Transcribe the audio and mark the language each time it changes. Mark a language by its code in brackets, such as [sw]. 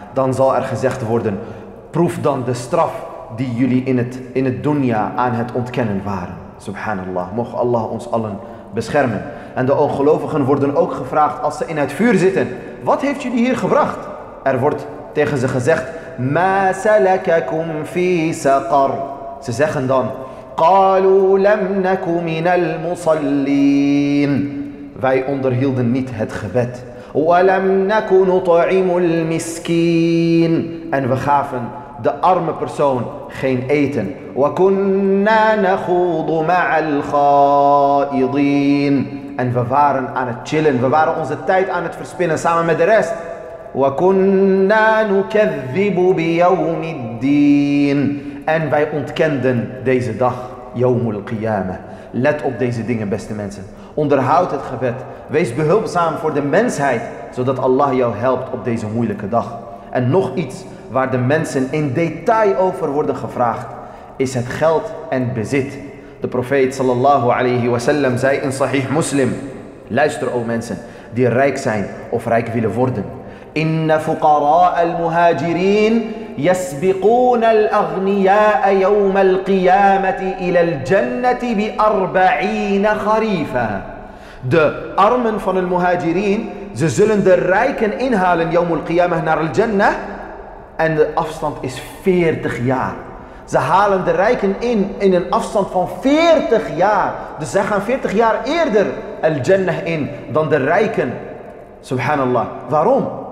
[nl] Dan zal er gezegd worden, proef dan de straf die jullie in het dunya aan het ontkennen waren. Subhanallah, mocht Allah ons allen beschermen. En de ongelovigen worden ook gevraagd, als ze in het vuur zitten, wat heeft jullie hier gebracht? Er wordt tegen ze gezegd, [ar] مَا سَلَكَكُمْ فِي سَقَرْ. [nl] Ze zeggen dan, [ar] قَالُوا لَمْ نَكُ مِنَ الْمُصَلِّينَ. [nl] Wij onderhielden niet het gebed. [ar] وَلَمْ نَكُ نُطَعِمُ الْمِسْكِينَ. [nl] En we gaven de arme persoon geen eten. [ar] وَكُنَّا نَخُوضُ مَعَ الْخَائِضِينَ. [nl] En we waren aan het chillen, we waren onze tijd aan het verspillen samen met de rest. [ar] وَكُنَّا نُكَذِّبُ بِيَوْمِ الدِّينِ. [nl] En wij ontkenden deze dag, [ar] يَوْمُ الْقِيَامَةِ. [nl] Let op deze dingen, beste mensen. Onderhoud het gebed. Wees behulpzaam voor de mensheid, zodat Allah jou helpt op deze moeilijke dag. En nog iets waar de mensen in detail over worden gevraagd, is het geld en bezit. De profeet sallallahu alayhi wa sallam zei in Sahih Muslim, luister o mensen die rijk zijn of rijk willen worden. [ar] إن فقراء المهاجرين يسبقون الأغنياء يوم القيامة إلى الجنة بأربعين خريفا. [nl] De armen van de muhajirin, ze zullen de rijken inhalen [ar] يوم القيامة [nl] naar de Jannah. En de afstand is 40 jaar. Ze halen de rijken in een afstand van 40 jaar. Dus zij gaan 40 jaar eerder de Jannah in dan de rijken. Subhanallah. Waarom?